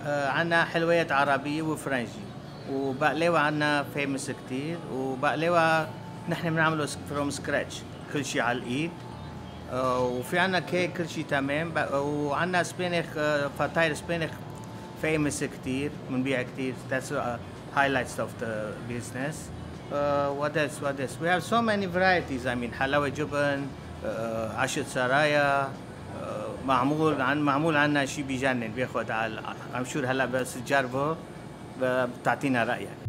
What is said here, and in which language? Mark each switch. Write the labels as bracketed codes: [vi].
[ar] عنا حلويات عربية وفرنجي وبقلاوة، عنا فيمس كتير وبقلاوة نحن بنعمله [en] from scratch، [ar] كل شيء على الإيد. وفي عنا كيك كل شيء تمام، وعنا سبينخ فطاير سبينخ famous كتير، منبيع كتير. [en] That's highlights of the business. What else? We have so many varieties. I mean [ar] حلاوة جبن، عشة سرايا، معمول عن معمول عنا شيء بيجنن بياخد على. [en] I'm sure [ar] هلا بس تجربه بتعطينا رأيك.